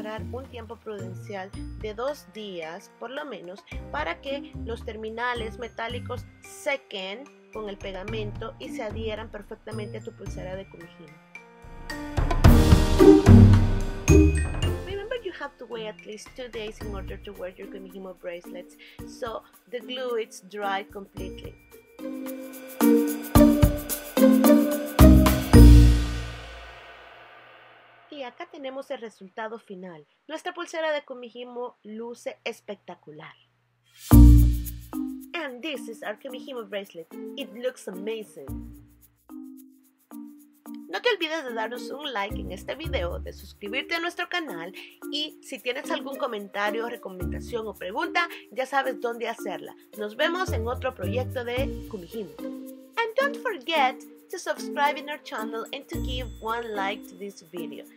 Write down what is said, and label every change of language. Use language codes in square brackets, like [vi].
[es] Un tiempo prudencial de 2 días por lo menos para que los terminales metálicos sequen con el pegamento y se adhieran perfectamente a tu pulsera de Kumihimo. [en] Remember, you have to wait at least 2 days in order to wear your Kumihimo bracelets so the glue is dry completely. [es] Y acá tenemos el resultado final. Nuestra pulsera de Kumihimo luce espectacular. [en] And this is our Kumihimo bracelet. It looks amazing. [es] No te olvides de darnos un like en este video, de suscribirte a nuestro canal y si tienes algún comentario, recomendación o pregunta, ya sabes dónde hacerla. Nos vemos en otro proyecto de Kumihimo. [en] And don't forget to subscribe in our channel and to give 1 like to this video.